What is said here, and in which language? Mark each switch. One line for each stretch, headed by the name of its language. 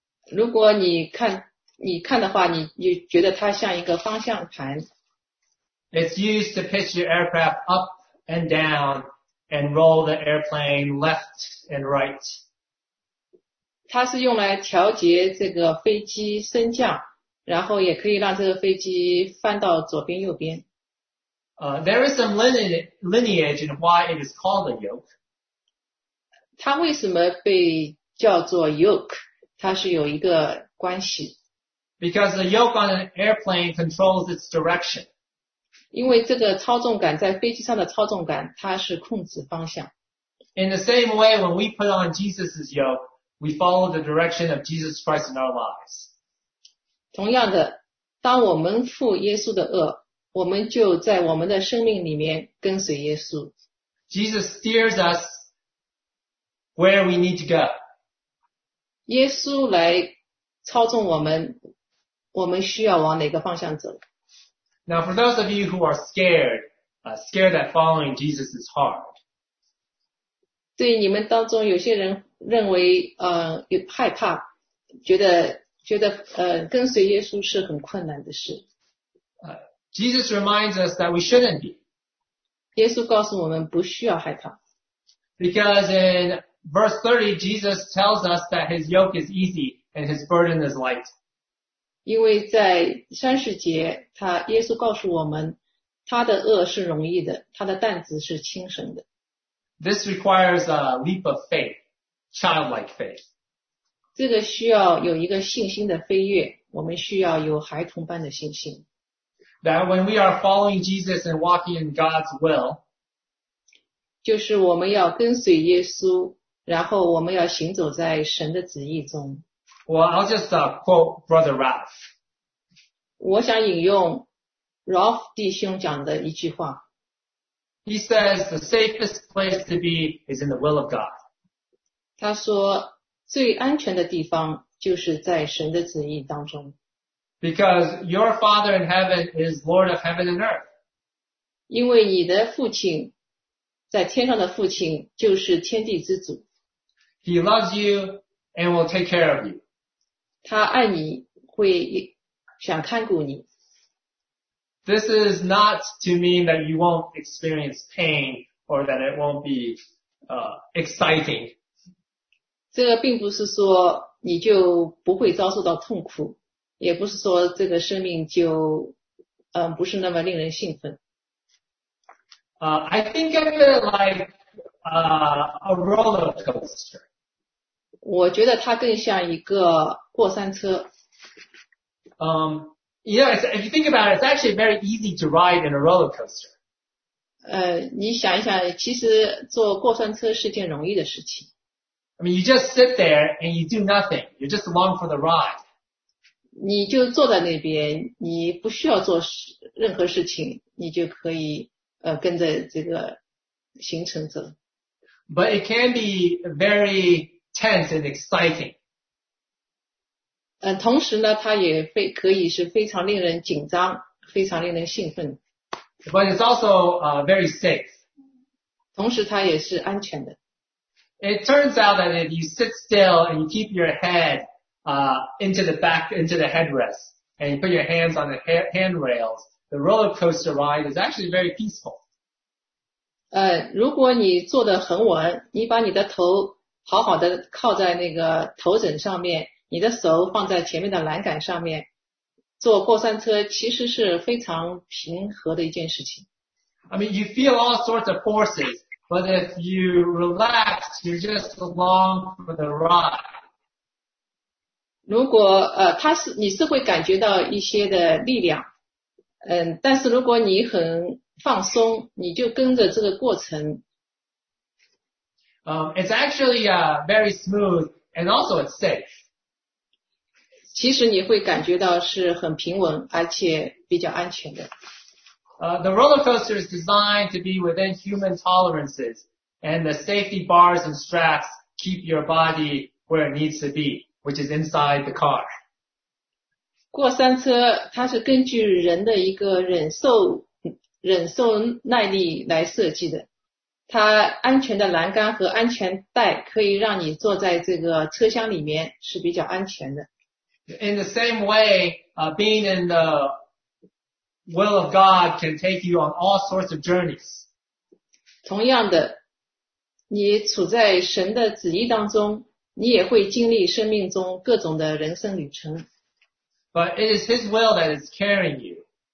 Chinese: 如果你看你看的话，你你觉得它像一个方向盘。
English: It's used to pitch your aircraft up and down and roll the airplane left and right.
Chinese: 它是用来调节这个飞机升降，然后也可以让这个飞机翻到左边右边。
English: There is some lineage in why it is called a yoke.
Chinese: 它为什么被叫做 yoke？ 它是有一个关系。
English: Because the yoke on an airplane controls its direction.
Chinese: 因为这个操纵杆在飞机上的操纵杆，它是控制方向。
English: In the same way, when we put on Jesus' yoke, we follow the direction of Jesus Christ in our lives.
Chinese: 同样的，当我们负耶稣的轭，我们就在我们的生命里面跟随耶稣。
English: Jesus steers us where we need to go.
Chinese: 耶稣来操纵我们，我们需要往哪个方向走。
English: Now for those of you who are scared that following Jesus is hard.
Chinese: 对你们当中有些人认为有害怕，觉得跟随耶稣是很困难的事。
English: Jesus reminds us that we shouldn't be.
Chinese: 耶稣告诉我们不需要害怕。
English: Because in verse 30, Jesus tells us that his yoke is easy and his burden is light.
Chinese: 因为在三十节，他耶稣告诉我们，他的轭是容易的，他的担子是轻省的。
English: This requires a leap of faith, childlike faith.
Chinese: 这个需要有一个信心的飞跃，我们需要有孩童般的信心。
English: That when we are following Jesus and walking in God's will,
Chinese: 就是我们要跟随耶稣，然后我们要行走在神的旨意中。
English: Well, I'll just quote Brother Ralph.
Chinese: 我想引用 Ralph 弟兄讲的一句话。
English: He says the safest place to be is in the will of God.
Chinese: 他说最安全的地方就是在神的旨意当中。
English: Because your Father in heaven is Lord of heaven and earth.
Chinese: 因为你的父亲在天上的父亲就是天地之主。
English: He loves you and will take care of you.
Chinese: 他爱你，会想看顾你。
English: This is not to mean that you won't experience pain or that it won't be exciting.
Chinese: 这并不是说你就不会遭受到痛苦，也不是说这个生命就不是那么令人兴奋。
English: I think of it like a roller coaster.
Chinese: 我觉得它更像一个过山车。
English: If you think about it, it's actually very easy to ride in a roller coaster.
Chinese: 你想一想，其实坐过山车是件容易的事情。
English: I mean, you just sit there and you do nothing. You're just along for the ride.
Chinese: 你就坐在那边，你不需要做任何事情，你就可以跟着这个行程走。
English: But it can be very tense and exciting.
Chinese: 同时呢，它也可以是非常令人紧张，非常令人兴奋。
English: But it's also very safe.
Chinese: 同时它也是安全的。
English: It turns out that if you sit still and you keep your head into the headrest and you put your hands on the handrails, the roller coaster ride is actually very peaceful.
Chinese: 如果你坐得很稳，你把你的头好好的靠在那个头枕上面，你的手放在前面的栏杆上面，坐过山车其实是非常平和的一件事情。
English: I mean, you feel all sorts of forces, but if you relax, you're just along for the ride.
Chinese: 如果你是会感觉到一些的力量，但是如果你很放松，你就跟着这个过程。
English: It's actually very smooth and also it's safe.
Chinese: 其实你会感觉到是很平稳而且比较安全的。
English: The roller coaster is designed to be within human tolerances and the safety bars and straps keep your body where it needs to be, which is inside the car.
Chinese: 过山车它是根据人的一个忍受耐力来设计的。它安全的栏杆和安全带可以让你坐在这个车厢里面是比较安全的。
English: In the same way, being in the will of God can take you on all sorts of journeys.
Chinese: 同样的，你处在神的旨意当中，你也会经历生命中各种的人生旅程。
English: But it is His will that is carrying you.